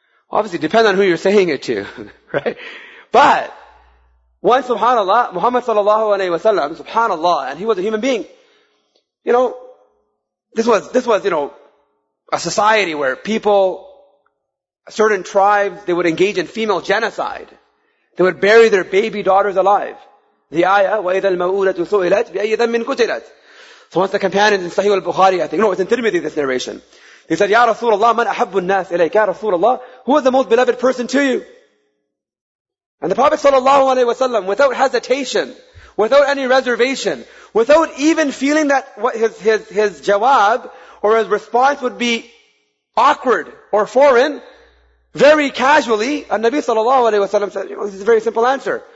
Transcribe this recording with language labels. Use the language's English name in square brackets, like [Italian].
[English] Well, obviously, it depends on who you're saying it to, right? But, one, subhanAllah, Muhammad sallallahu alayhi wa sallam, subhanAllah, and he was a human being. You know, this was, you know, a society where people, certain tribes, they would engage in female genocide. They would bury their baby daughters alive. [Arabic] The ayah, وَإِذَا الْمَوْءُولَةُ سُئِلَتْ بِأَيِّ ذَنْبٍ قُتِلَتْ. [English] So once the companions in Sahih al-Bukhari, I think, no, it's in Tirmidhi, this narration. He said, Ya Rasulullah, [Arabic] مَنْ أَحَبُّ النَّاسِ إِلَيْكَ [English] Ya Rasulullah, who is the most beloved person to you? And the Prophet sallallahu alayhi wa sallam, without hesitation, without any reservation, without even feeling that what his jawab or his response would be awkward or foreign, very casually, and Nabi sallallahu alayhi wa sallam said, this is a very simple answer.